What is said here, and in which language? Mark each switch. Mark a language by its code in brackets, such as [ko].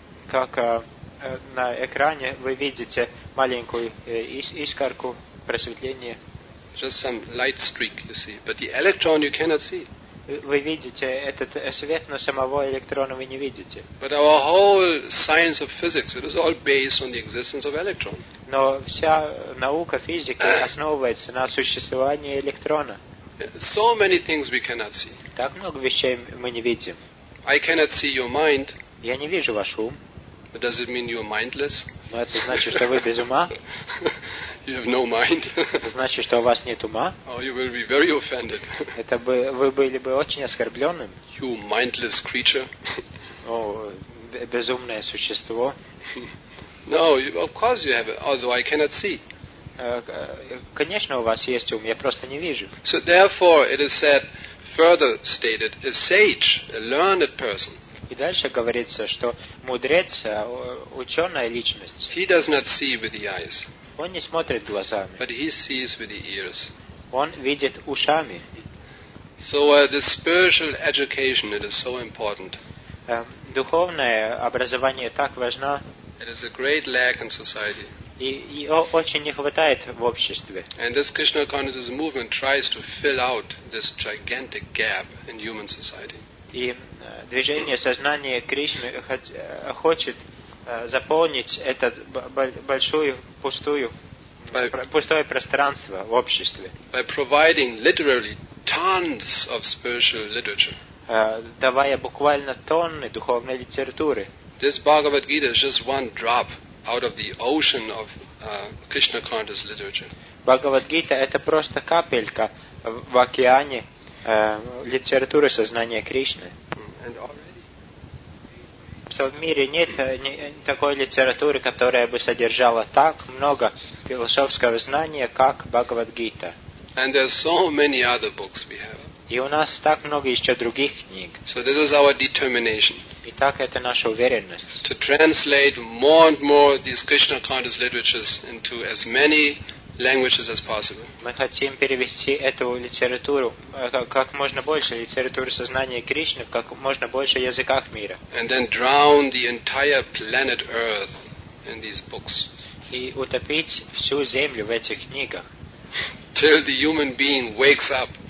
[ru] Как на экране вы видите маленькую искорку просветления. [en] Just some light streak you see, but the electron you cannot see. [ru] Вы видите этот свет, но самого электрона вы не видите. [en] But our whole science of physics, it is all based on the existence of electron. [ru] Но вся наука физики основывается на существовании электрона. [en] So many things we cannot see. [ru] Так много вещей мы не видим. [en] I cannot see your mind. [ru] Я не вижу ваш ум. [en] But does it mean you are mindless? [ru] Но это значит, что вы без ума? [en] You have no mind. [ru] Это значит, что у вас нет ума? [en] Oh, you will be very offended. [ru] Это бы вы были бы очень оскорбленным. [en] You mindless creature. [ru] О, безумное существо. [en] No, of course you have it, although I cannot see. [ru] Конечно, у вас есть ум, я просто не вижу. [en] So therefore, it is said, further stated, a sage, a learned person. [ru] И дальше говорится, что мудрец, ученая личность. [en] He does not see with the eyes. [ru] Он не смотрит глазами. [en] But he sees with the ears. [ru] Он видит ушами. [en] So this spiritual education, it is so important. [ru] Духовное образование так важно. [en] It is a great lack in society. [ru] И очень не хватает в обществе. [en] And this Krishna consciousness movement tries to fill out this gigantic gap in human society. [ru] И движение сознания Кришны хочет заполнить это большую пустую пустое пространство в обществе. [en] By providing literally tons of spiritual literature. [ru] Давая буквально тонны духовной литературы. [en] This Bhagavad Gita is just one drop out of the ocean of Krishna conscious literature. [ru] Bhagavad Gita это просто капелька в океане литературы сознания Кришны. Что в мире нет такой литературы, которая бы содержала так много философского знания, как Бхагавад-гита. [en] And there are so many other books we have. [ru] И у нас так много еще других книг. [en] So this is our determination. [ru] Итак, это наша уверенность. [en] To translate more and more these Krishna conscious literatures into as many languages as possible. [ru] Мы хотим перевести эту литературу как можно больше литературы сознания Кришны в как можно больше языках мира. [en] And then drown the entire planet Earth in these books. [ru] И утопить всю землю в этих книгах. [en] Till the human being wakes up.